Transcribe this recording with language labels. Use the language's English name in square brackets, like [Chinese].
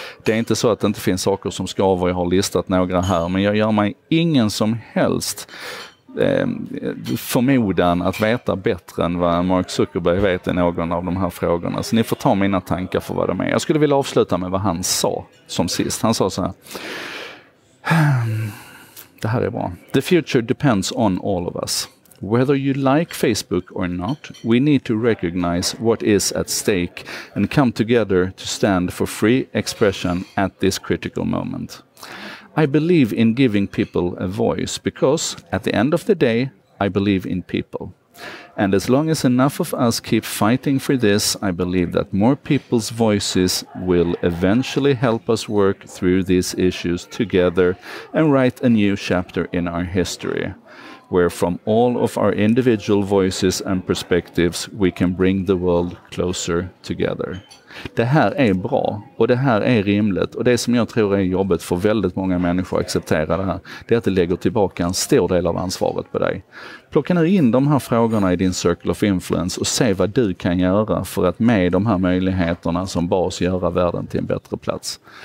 [Swedish] Det är inte så att det inte finns saker som ska vara, jag har listat några här, men jag gör mig ingen som helst förmodan att veta bättre än vad Mark Zuckerberg vet i någon av de här frågorna. Så ni får ta mina tankar för vad de är. Jag skulle vilja avsluta med vad han sa som sist. Han sa så här: det här är bra. [English] The future depends on all of us. Whether you like Facebook or not, we need to recognize what is at stake and come together to stand for free expression at this critical moment. I believe in giving people a voice because, at the end of the day, I believe in people. And as long as enough of us keep fighting for this, I believe that more people's voices will eventually help us work through these issues together and write a new chapter in our history, where from all of our individual voices and perspectives, we can bring the world closer together. [Swedish] Det här är bra och det här är rimligt, och det som jag tror är jobbet för väldigt många människor att acceptera det här, det är att det lägger tillbaka en stor del av ansvaret på dig. Plocka nu in de här frågorna i din [English] circle of influence [Swedish] och se vad du kan göra för att med de här möjligheterna som bas göra världen till en bättre plats.